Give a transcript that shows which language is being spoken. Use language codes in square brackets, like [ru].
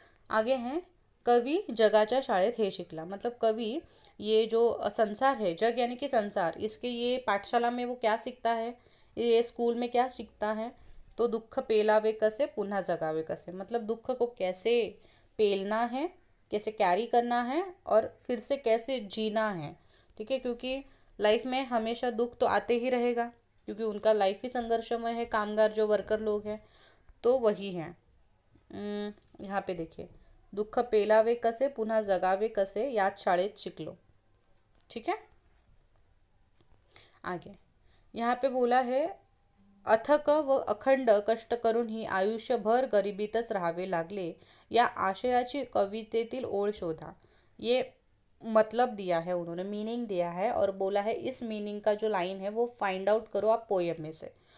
[hi] आगे हैं, [mr] कवि जगाच्या शाळेत हे शिकला, [hi] मतलब कवि ये जो संसार है, जग यानी कि संसार, इसके ये पाठशाला में वो क्या सीखता है, ये स्कूल में क्या सीखता है, तो [mr] दुख पेलावे कसे पुनः जगावे कसे, [hi] मतलब दुख को कैसे पेलना है, कैसे कैरी करना है, और फिर से कैसे जीना है। ठीक है, क्योंकि लाइफ में हमेशा दुख तो आते ही रहेगा, क्योंकि उनका लाइफ ही संघर्षमय है, कामगार जो वर्कर लोग हैं, तो वही है। यहाँ पे देखिए, [mr] दुख पेलावे कसे पुनः जगावे कसे याद शाळेत शिकलो। [hi] ठीक है, आगे यहाँ पे बोला है, [mr] अथक व अखंड कष्ट करून ही आयुष्य भर गरिबीतच राहावे लागले, या आशयाची कवितेतील ओळ शोधा, [hi] ये मतलब दिया है उन्होंने, मीनिंग दिया है, और बोला है इस मीनिंग का जो लाइन है वो फाइंड आउट करो आप पोएम में से।